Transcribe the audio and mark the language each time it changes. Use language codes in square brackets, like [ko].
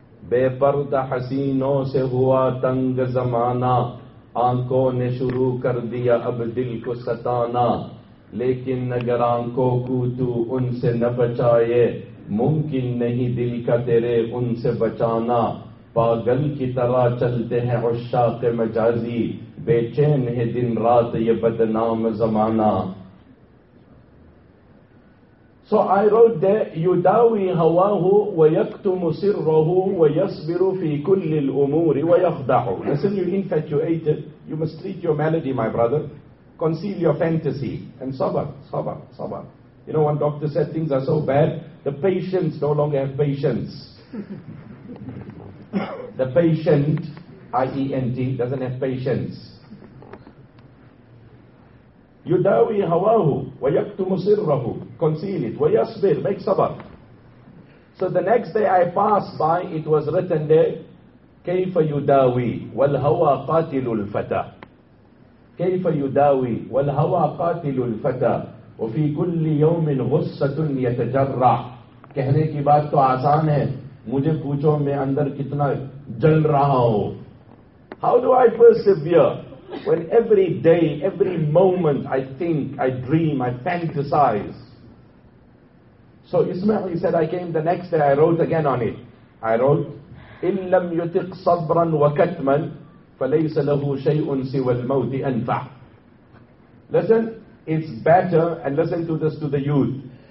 [ur] beparda haseeno se hua tang zamana aankhon ne shuru kar diya ab dil ko satana لیکن اگر آنکھوں کو تو ان سے نہ بچائے ممکن نہیں دل کا تیرے ان سے بچانا پاگل کی طرح چلتے ہیں عشاق مجازی بے چین ہے دن رات یہ بدنام زمانہ [en] So I wrote there, [ar] يُدَاوِي هَوَاهُ وَيَكْتُمُ سِرَّهُ وَيَصْبِرُ فِي كُلِّ الْأُمُورِ وَيَخْدَعُ. [en] Listen, you infatuated, you must treat your malady, my brother. Conceal your fantasy and sabr, sabr, sabr. You know, one doctor said things are so bad, the patients no longer have patience. The patient, I-E-N-T, doesn't have patience. [ar] يُدَاوِي هَوَاهُ وَيَكْتُمُ سِرَّهُ. [en] Conceal it. [ar] وَيَصْبِرْ. [en] Make sabr. So the next day I passed by, it was written there, [ar] كَيْفَ يُدَاوِي وَالْهَوَى قَاتِلُ الْفَتَى. كَيْفَ يُدَاوِي وَالْهَوَى قَاتِلُ الْفَتَى وَفِي كُلِّ يَوْمٍ غُصَّةٌ يَتَجَرَّعُ. [ur] کہنے کی بات تو آسان ہے, مجھے پوچھو میں اندر کتنا جل رہا ہوں. [en] How do I persevere when every day, every moment I think, I dream, I fantasize? So Ismail, he said, I came the next day, I wrote again on it. I wrote, [ar] إِن لَمْ يُتِقْ صَبْرًا وَكَتْمًا فَلَيْسَ لَهُ شَيْءٌ سِوَى الْمَوْتِ أَنْفَعُ. [en] Listen, it's better, and listen to this to the youth.